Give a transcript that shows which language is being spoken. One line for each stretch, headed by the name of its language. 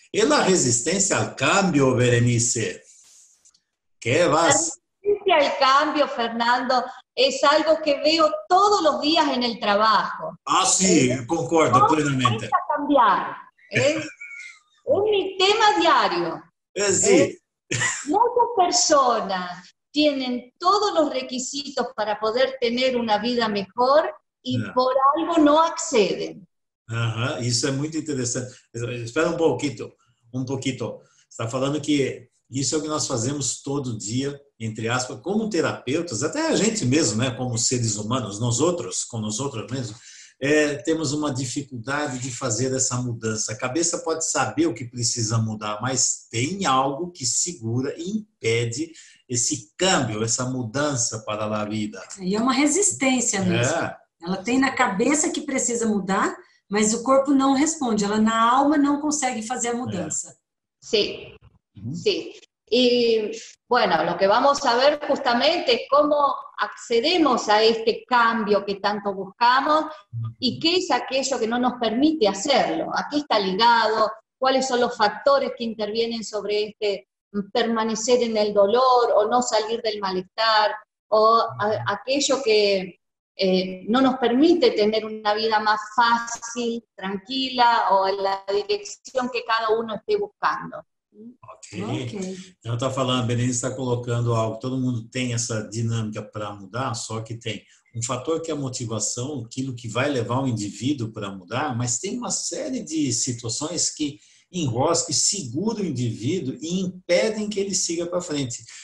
Portuguese: E a resistência ao câmbio, Berenice?
Spanish: Que vas? El cambio, Fernando, es algo que veo todos los días en el trabajo. Ah, sí, concuerdo plenamente. Hay que cambiar. Es mi tema diario. Sí. Muchas personas tienen todos los requisitos para poder tener una vida mejor y por algo no acceden. Ajá, eso es muy interesante. Espera un poquito.
Portuguese: Está falando que isso é o que nós fazemos todo dia, entre aspas, como terapeutas, até a gente mesmo, né, como seres humanos, nós outros, com nós outros mesmo, temos uma dificuldade de fazer essa mudança. A cabeça pode saber o que precisa mudar, mas tem algo que segura e impede esse câmbio, essa mudança para a vida. E é uma resistência mesmo. Ela tem na cabeça que precisa mudar, mas o corpo não responde, ela na alma não consegue fazer a mudança. Sim.
Spanish: Sí, y bueno, lo que vamos a ver justamente es cómo accedemos a este cambio que tanto buscamos y qué es aquello que no nos permite hacerlo, a qué está ligado, cuáles son los factores que intervienen sobre este permanecer en el dolor o no salir del malestar o aquello que no nos permite tener una vida más fácil, tranquila o en la dirección que cada uno esté buscando. Okay.
Portuguese: Então, tá falando, a Berenice está colocando algo, todo mundo tem essa dinâmica para mudar, só que tem um fator que é a motivação, aquilo que vai levar o indivíduo para mudar, mas tem uma série de situações que enrosca e segura o indivíduo e impedem que ele siga para frente.